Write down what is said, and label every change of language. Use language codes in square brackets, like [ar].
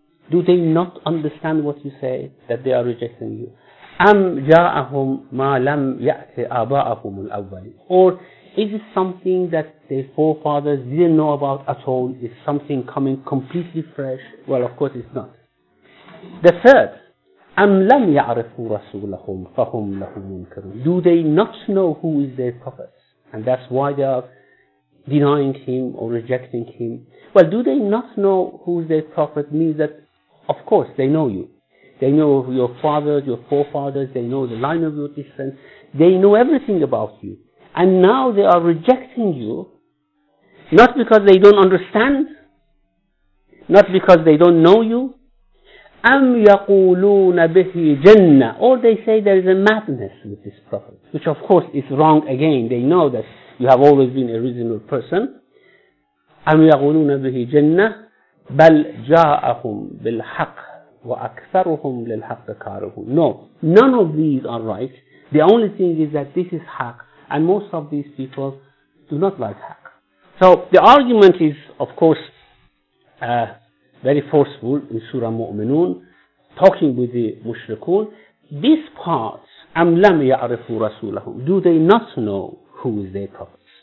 [en] Do they not understand what you say, that they are rejecting you? [ar] أَمْ جَاءَهُمْ مَا لَمْ يَأْتِ آبَاءَهُمُ الْأَوَّلِينَ. [en] Or is it something that their forefathers didn't know about at all? Is something coming completely fresh? Well, of course it's not. The third, [ar] أَمْ لَمْ يَعْرِفُوا رَسُولَهُمْ فَهُمْ لَهُمْ مُنْكَرُونَ. [en] Do they not know who is their prophet? And that's why they are denying him or rejecting him. Well, do they not know who is their prophet? Means that, of course, they know you. They know your fathers, your forefathers, they know the line of your descent. They know everything about you. And now they are rejecting you, not because they don't understand, not because they don't know you. [ar] أَمْ يَقُولُونَ بِهِ جَنَّةٌ. [en] Or they say there is a madness with this prophet, which of course is wrong again. They know that you have always been a reasonable person. [ar] أَمْ يَقُولُونَ بِهِ جَنَّةٌ بَلْ جَاءَهُمْ بِالْحَقِّ وَأَكْثَرُهُمْ لِلْحَقِّ كَارِهُونَ. [en] No, none of these are right. The only thing is that this is haq, and most of these people do not like haq. So the argument is, of course, very forceful in Surah Mu'minun, talking with the mushrikun. This part, [ar] أَمْ لَمْ يَعْرِفُوا رَسُولَهُمْ. [en] Do they not know who is their prophet?